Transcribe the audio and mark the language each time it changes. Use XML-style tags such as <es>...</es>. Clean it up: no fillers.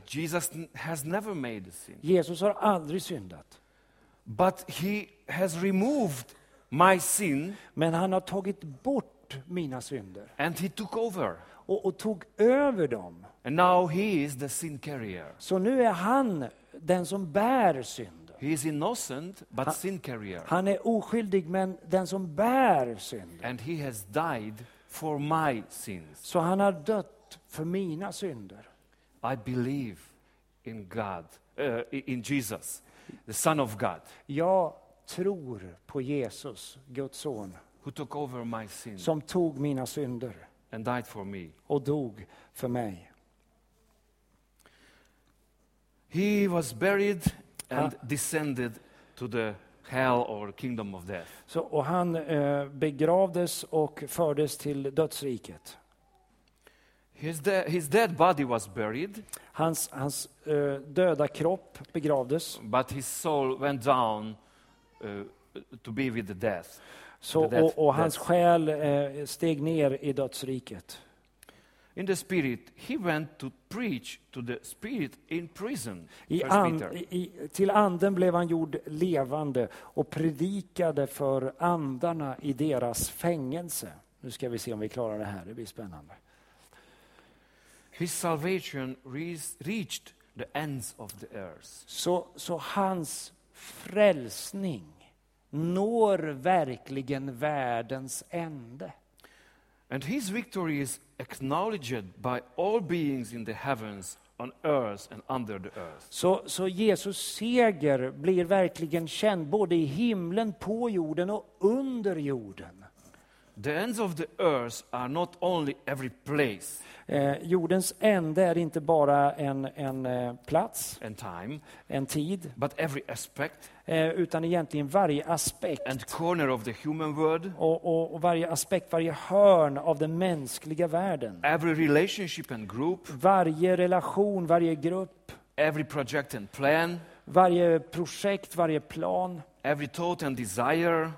<en>Jesus has never made a sin.</en> <sv>Jesus har aldrig syndat.</sv> <en>But he has removed my sin.</en> <sv>Men han har tagit bort mina synder.</sv> <en>And he took over.</en> <sv>Och tog över dem.</sv> <en>And now he is the sin carrier.</en> <sv>Så nu är han den som bär synd.</sv> <en>He is innocent but sin carrier.</en> <sv>Han är oskyldig men den som bär synd.</sv> <en>And he has died for my sins.</en> <sv>Så han har dött för mina synder.</sv> <en>I believe in God, in Jesus, the Son of God.</en> <sv>Jag tror på Jesus, Guds son,</sv> <en>who took over my sins.</en> <sv>Som tog mina synder.</sv> <en>And died for me.</en> <sv>Och dog för mig.</sv> <en>He was buried and descended to the hell or kingdom of death.</en> <sv>Så och han begravdes och fördes till dödsriket.</sv> <en>His dead body was buried.</en> <sv>Hans döda kropp begravdes.</sv> <en>But his soul went down to be with the death.</en> <sv>Så och hans</sv> <en>death.</en> <sv>Själ steg ner i dödsriket.</sv> <en>In the spirit he went to preach to the spirit in prison.</en> <sv>Till anden blev han gjord levande och predikade för andarna i deras fängelse. Nu ska vi se om vi klarar det här. Det blir spännande.</sv> <en>His salvation reached the ends of the earth.</en> <sv>Så hans frälsning når verkligen världens ände.</sv> <en>And his victory is acknowledged by all beings in the heavens, on earth and under the earth.</en> <sv>Så Jesus seger blir verkligen känd både i himlen, på jorden och under jorden.</sv> <en>The ends of the earth are not only every place.</en> <sv>Jordens ände är inte bara en plats,</sv> <en>and time,</en> <sv>en tid,</sv> <en>but every aspect,</en> <sv>utan egentligen varje aspekt,</sv> <en>and corner of the human world,</en> <sv>och varje aspekt, varje hörn av den mänskliga världen,</sv> <en>every relationship and group,</en> <sv>varje relation, varje grupp,</sv> <en>every project and plan,</en> <sv>varje projekt, varje plan,</sv> <en>every thought and desire,</en>